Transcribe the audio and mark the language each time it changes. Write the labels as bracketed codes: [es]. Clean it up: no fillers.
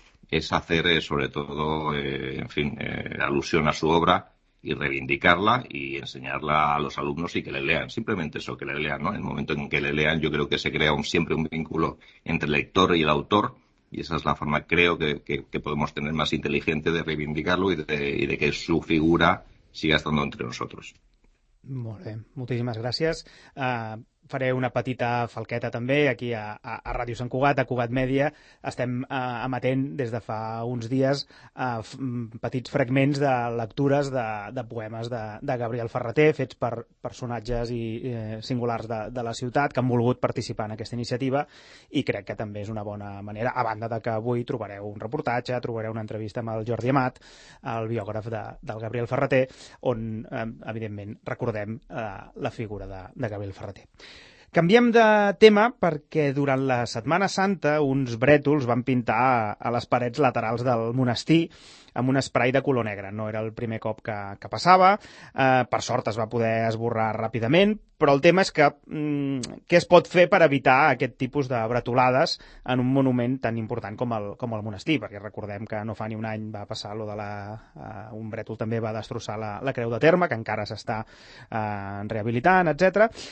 [es] es hacer sobre todo, en fin, alusión a su obra y reivindicarla y enseñarla a los alumnos y que le lean. Simplemente eso, que le lean, ¿no? En el momento en que le lean, yo creo que se crea siempre un vínculo entre el lector y el autor, y esa es la forma, creo, que podemos tener más inteligente de reivindicarlo y de que su figura siga estando entre nosotros. [ca] Molt bé, moltíssimes gràcies. Faré una petita falqueta també aquí a Ràdio Sant Cugat, a Cugat Mèdia. Estem emetent des de fa uns dies petits fragments de lectures de poemes de Gabriel Ferrater fets per personatges i singulars de la ciutat que han volgut participar en aquesta iniciativa, i crec que també és una bona manera, a banda de que avui trobareu un reportatge, trobareu una entrevista amb el Jordi Amat, el biògraf del Gabriel Ferrater, on evidentment recordem la figura de Gabriel Ferrater. Canviem de tema perquè durant la Setmana Santa uns brètols van pintar a les parets laterals del monestir amb un esprai de color negre. No era el primer cop que passava. Per sort es va poder esborrar ràpidament, però el tema és que què es pot fer per evitar aquest tipus de bretolades en un monument tan important com el monestir? Perquè recordem que no fa ni un any va passar allò de la... un brètol també va destrossar la Creu de Terme, que encara s'està rehabilitant, etc.